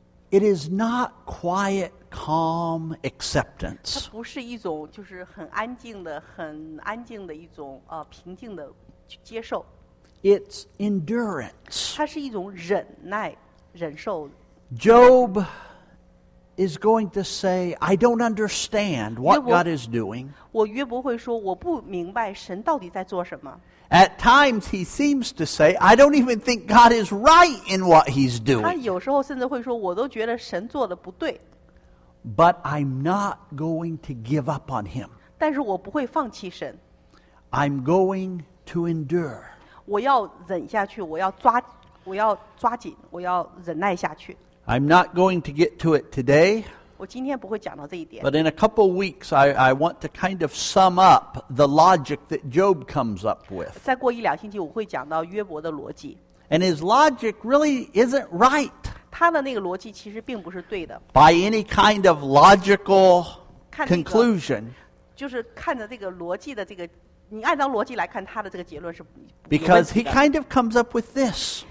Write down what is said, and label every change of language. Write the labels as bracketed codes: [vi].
[en] It is not quiet, calm acceptance. [zh] 它不是一种就是很安静的、很安静的一种平静的接受。 [en] It's endurance. [zh] 它是一种忍耐、忍受。 [en] Job is going to say, "I don't understand what God is doing." [zh] 我约伯会说，我不明白神到底在做什么。 [en] At times, he seems to say, I don't even think God is right in what he's doing. [zh] 他有时候甚至会说, 我都觉得神做得不对。 [en] But I'm not going to give up on him. [zh] 但是我不会放弃神。 [en] I'm going to endure. [zh] 我要忍下去, 我要抓紧, 我要忍耐下去。 [en] I'm not going to get to it today. [zh] 我今天不会讲到这一点。 [en] But in a couple of weeks, I want to kind of sum up the logic that Job comes up with. [zh] 再过一两星期我会讲到约伯的逻辑。 [en] And his logic really isn't right. [zh] 他的那个逻辑其实并不是对的。 [en] By any kind of logical conclusion. [zh] 就是看着这个逻辑的这个, 你按照逻辑来看, 他的这个结论是不对的。 [en] Because he kind of comes up with this.